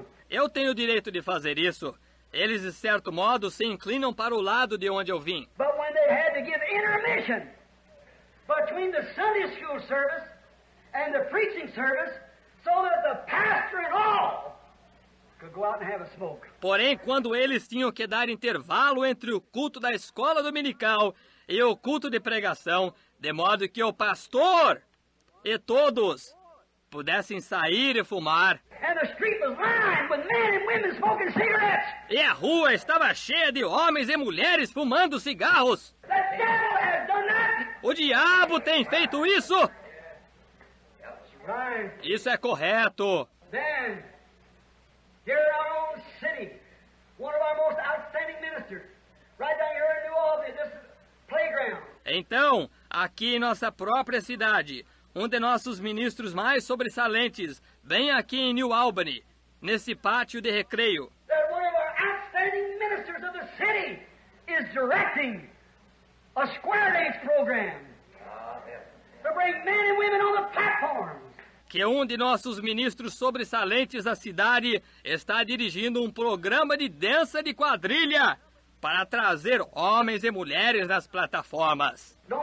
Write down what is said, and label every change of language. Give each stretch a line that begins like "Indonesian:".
Portuguese: Eu tenho o direito de fazer isso. Eles, de certo modo, se inclinam para o lado de onde eu vim.
English: But when they had to give intermission between the Sunday school service and the preaching service so that the pastor and all could go out and have a smoke.
Portuguese: Porém, quando eles tinham que dar intervalo entre o culto da escola dominical e o culto de pregação, de modo que o pastor e todos pudessem sair e fumar.
English: And the street was lined with men and women smoking cigarettes.
Portuguese: E a rua estava cheia de homens e mulheres fumando cigarros.
English: The devil has done that.
Portuguese: O diabo tem feito isso.
English: That's right.
Portuguese: Isso é correto.
English: Then, here in our own city, one of our most outstanding ministers, right down here in New Albany, this is Playground.
Portuguese: Então, aqui em nossa própria cidade, um de nossos ministros mais sobressalentes, bem aqui em New Albany, nesse pátio de recreio.
English: One of our outstanding ministers of the city is directing a square dance program to bring men and women on the platforms.
Portuguese: Que um de nossos ministros sobressalentes da cidade está dirigindo um programa de dança de quadrilha para trazer homens e mulheres nas plataformas.